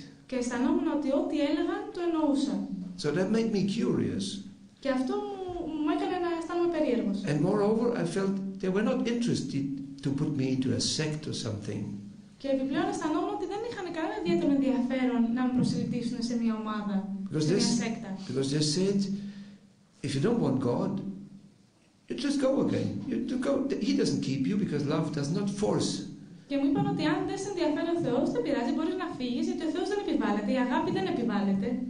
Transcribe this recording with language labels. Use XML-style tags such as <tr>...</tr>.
<el>Και αισθανόμουν ότι ό,τι έλεγαν το εννοούσα.</el> <en>So that made me curious.</en> <el>Και αυτό μου έκανε να αισθάνομαι περίεργος.</el> <en>And moreover, I felt they were not interested to put me into a sect or something.</en> <el>Και επιπλέον αισθανόμουν ότι δεν είχαν κανένα ιδιαίτερο ενδιαφέρον να με προσελκύσουν σε μια ομάδα, σε μια σέκτα.</el> <en>Because they said, if you don't want God, you just go again. You go. He doesn't keep you because love does not force.</en> <el>Και μου είπαν ότι αν δεν σε ενδιαφέρει ο Θεός, δεν πειράζει, μπορείς να φύγεις, γιατί ο Θεός δεν επιβάλλεται, η αγάπη δεν επιβάλλεται.</el>